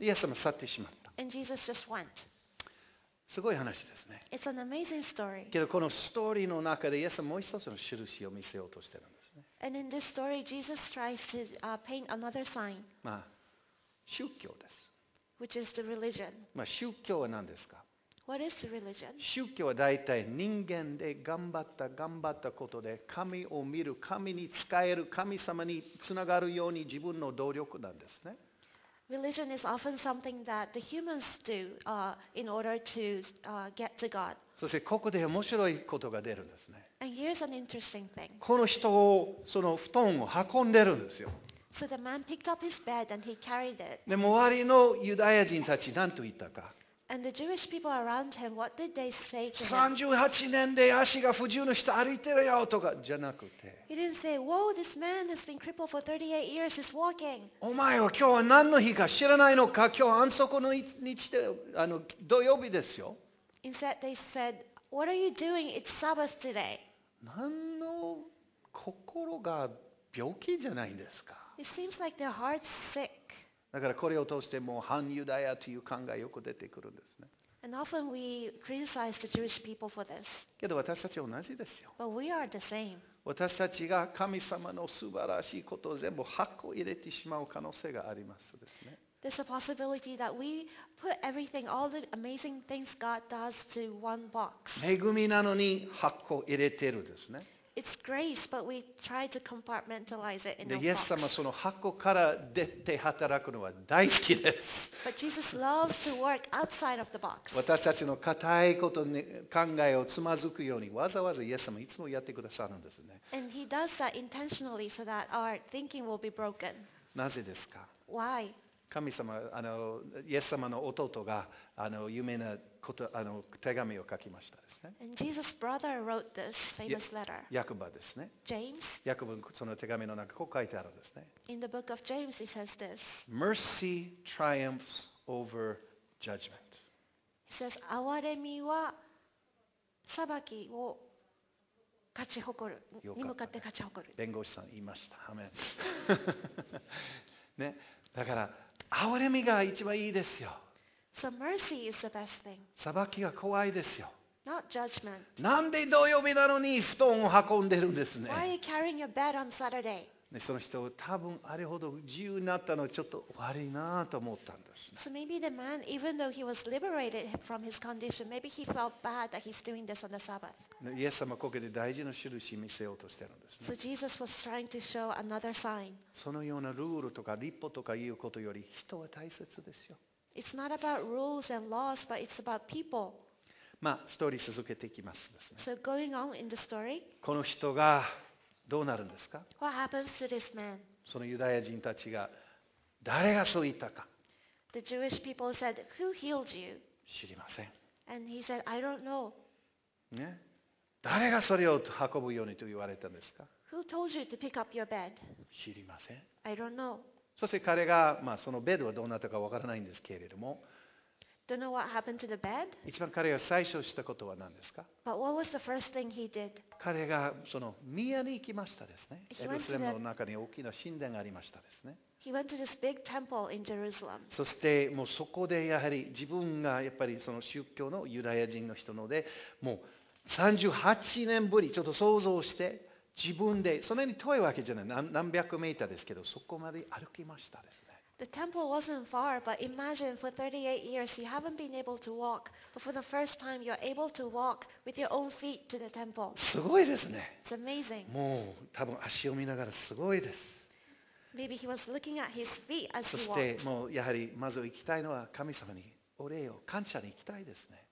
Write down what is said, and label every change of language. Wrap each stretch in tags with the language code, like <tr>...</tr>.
<ja>イエス様去ってしまった。</ja> <en>And Jesus just went.</en> <ja>すごい話ですね。</ja> <en>It's an amazing story.</en> <ja>けどこのストーリーの中でイエスはもう一つの印を見せようとしているんですね。</ja> <en>And in this story, Jesus tries to paint another sign.</en> <ja>まあ宗教です。</ja> <en>Which is the religion.</en> <ja>まあ宗教は何ですか?</ja> <en>What is the religion?</en> <ja>宗教は大体人間で頑張ったことで神を見る、神に仕える、神様につながるように自分の努力なんですね。</ja> <en>Religion is often something that the humans do in order to get to God.</en> <ja>そしてここで面白いことが出るんですね。</ja> <en>And here's an interesting thing.</en> <ja>この人をその布団を運んでるんですよ。</ja> <en>So the man picked up his bed and he carried it.</en> <ja>で、周りのユダヤ人たち何と言ったか。</ja> <en>And the Jewish people around him, what did they say to him?</en> <ja>38年で足が不自由の人歩いてるよとかじゃなくて。</ja> <en>He didn't say, whoa, this man has been crippled for 38 years, he's walking.</en> <ja>お前は今日は何の日か知らないのか、今日は安息の日で土曜日ですよ。</ja> <en>Instead, they said, What are you doing? It's Sabbath today.</en> <ja>何の心が病気じゃないんですか。</ja> <en>It seems like their heart's sick.</en> <ja>だからこれを通してもう反ユダヤという考えよく出てくるんですね。</ja> <en>And often we criticize the Jewish people for this.</en> <ja>けど私たち同じですよ。</ja> <en>But we are the same.</en> <ja>私たちが神様の素晴らしいことを全部箱入れてしまう可能性がありますですね。</ja> <en>There's a possibility that we put everything, all the amazing things God does, to one box.</en> <ja>恵みなのに箱入れてるですね。</ja> <en>It's grace, but we try to compartmentalize it in a box.</en> <ja>で、イエス様はその箱から出て働くのは大好きです。</ja> <en>But Jesus loves to work outside of the box.</en> <ja>私たちの固いことに考えをつまずくようにわざわざイエス様いつもやってくださるんですね。</ja> <en>And he does that intentionally so that our thinking will be broken.</en> <ja>なぜですか?</ja> <en>Why?</en> <ja>神様、イエス様の弟が有名なこと手紙を書きました。</ja> <en>And Jesus' brother wrote this famous letter.</en> <ja>ヤコブですね。</ja> <en>James.</en> <ja>ヤコブのその手紙の中こう書いてあるんですね。</ja> <en>In the book of James, he says this. Mercy triumphs over judgment. He says,</en> <ja>憐れみは裁きを勝ち誇る、に向かって勝ち誇る。弁護士さん言いました。アメン。ね、だから憐れみが一番いいですよ。</ja> <en>So mercy is the best thing.</en> <ja>裁きが怖いですよ。</ja> <en>Not judgment.</en> <ja>なんで土曜日なのに布団を運んでるんですね。</ja> <en>Why are you carrying your bed on Saturday?</en> <ja>ね、その人多分あれほど自由になったのちょっと悪いなと思ったんです、ね。</ja> <en>So maybe the man, even though he was liberated from his condition, maybe he felt bad that he's doing this on the Sabbath.</en> <ja>イエス様はここで大事な印を見せようとしてるんですね。</ja> <en>So Jesus was trying to show another sign.</en> <ja>そのようなルールとか立法とかいうことより人は大切ですよ。</ja> <en>It's not about rules and laws, but it's about people.</en> <ja>まあ、ストーリー続けていきますですね。</ja> <en>So going on in the story,</en> <ja>この人がどうなるんですか?</ja> <en>What happens to this man?</en> <ja>そのユダヤ人たちが誰がそう言ったか?</ja> <en>The Jewish people said, "Who healed you?"</en> <ja>知りません。</ja> <en>And he said, "I don't know."</en> <ja>ね、誰がそれを運ぶようにと言われたんですか?</ja> <en>Who told you to pick up your bed?</en> <ja>知りません。</ja> <en>I don't know.</en> <ja>そして彼が、まあ、そのベッドはどうなったかわからないんですけれども、</ja> <en>Don't know what happened to the bed?</en> <ja>一番彼が最初したことは何ですか?</ja> <en>But what was the first thing he did?</en> <ja>彼がその宮に行きましたですね。エルサレムの中に大きな神殿がありましたですね。</ja> <en>He went to this big temple in Jerusalem.</en> <ja>そしてもうそこでやはり自分がやっぱりその宗教のユダヤ人の人なので、もう38年ぶり、ちょっと想像して自分でそんなに遠いわけじゃない、何百メーターですけど、そこまで歩きましたですね。</ja> <en>The temple wasn't far, but imagine for 38 years you haven't been able to walk, but for the first time you're able to walk with your own feet to the temple.</en> <ja>すごいですね。</ja> <en>It's amazing.</en> <ja>もう多分足を見ながらすごいです。</ja> <en>Maybe he was looking at his feet as he walked.</en> <ja>そしてもうやはりまず行きたいのは神様にお礼を、感謝に行きたいですね。</ja>